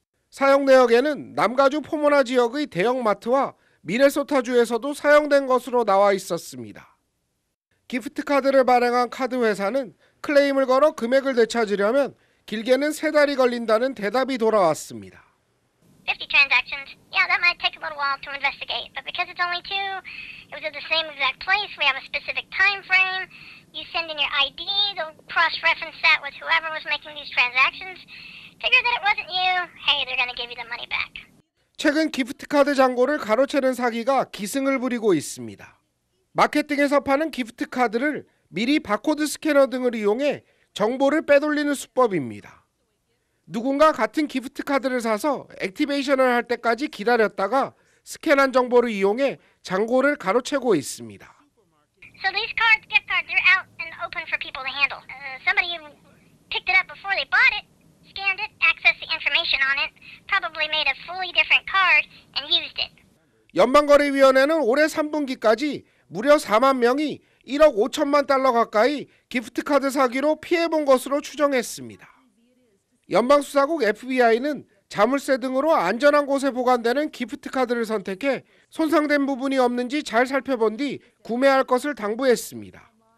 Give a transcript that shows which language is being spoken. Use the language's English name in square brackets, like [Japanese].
[Korean] 사용 내역에는 남가주 포모나 지역의 대형마트와 미네소타주에서도 사용된 것으로 나와 있었습니다. 기프트카드를 발행한 카드 회사는 클레임을 걸어 금액을 되찾으려면 길게는 세 달이 걸린다는 대답이 돌아왔습니다. [English] 50 transactions. Yeah, that might take a little while to investigate. But because it's only two, it was at the same exact place. We have a specific time frame. You send in your ID, they'll cross-reference that with whoever was making these transactions. Figure that it wasn't you. Hey, they're going to give you the money back. [Korean] 최근 기프트카드 잔고를 가로채는 사기가 기승을 부리고 있습니다. 마켓등에서 파는 기프트카드를 미리 바코드 스캐너 등을 이용해 정보를 빼돌리는 수법입니다. 누군가 같은 기프트카드를 사서 액티베이션을 할 때까지 기다렸다가 스캔한 정보를 이용해 잔고를 가로채고 있습니다. [English] So these cards, gift cards, they're out and open for people to handle. Somebody picked it up before they bought it, scanned it, accessed the information on it, probably made a fully different card and used it. [Korean] 연방거래위원회는 올해 3분기까지 무려 4만 명이 1억 5천만 달러 가까이 기프트카드 사기로 피해본 것으로 추정했습니다. 연방수사국 FBI는 자물쇠 등으로 안전한 곳에 보관되는 기프트카드를 선택해 손상된 부분이 없는지 잘 살펴본 뒤 구매할 것을 당부했습니다.